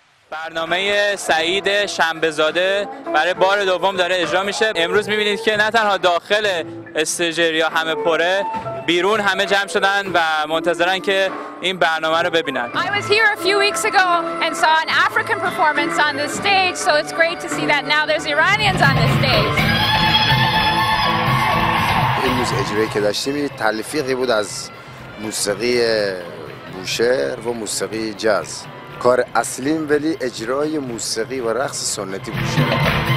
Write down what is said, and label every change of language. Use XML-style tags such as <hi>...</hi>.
<fa>برنامه سعید شنبه‌زاده برای بار دوم داره اجرا میشه. امروز میبینید که نه تنها داخل استجری ها همه پره، بیرون همه جمع شدن و منتظرن که این برنامه رو ببینن.</fa> <en>I was here a few weeks ago and saw an African performance on this stage, so it's great to see that now there's Iranians on this stage.</en> <fa>این روز اجرایی که داشتیم تلفیقی بود از موسیقی بوشهر و موسیقی جاز. کار اصلیم ولی اجرای موسیقی و رقص سنتی بوشهر.</fa>